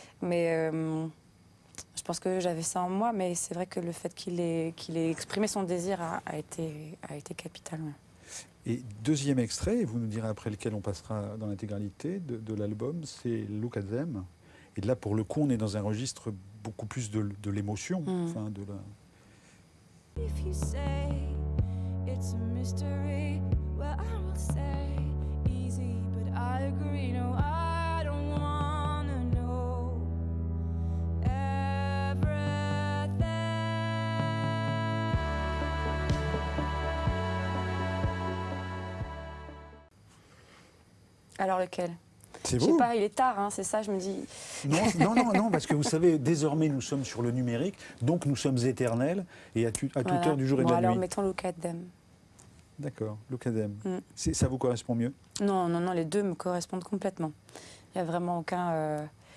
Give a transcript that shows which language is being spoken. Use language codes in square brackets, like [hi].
[fr] Mais je pense que j'avais ça en moi, mais c'est vrai que le fait qu'il ait exprimé son désir a été capital. Et deuxième extrait, vous nous direz après lequel on passera dans l'intégralité de l'album, c'est Look at Them. Et là, pour le coup, on est dans un registre beaucoup plus de l'émotion, enfin de la... [en] If you say it's a mystery, well I will say easy, but I agree, no I don't wanna know everything. [fr] Alors lequel? C'est vous. Je sais pas, il est tard, hein, c'est ça, je me dis... Non, parce que vous savez, désormais, nous sommes sur le numérique, donc nous sommes éternels, et toute heure du jour et de la alors nuit. Alors, mettons Look at Them. D'accord, Look at Them. Mm. Ça vous correspond mieux ? Non, les deux me correspondent complètement. Il n'y a vraiment aucun...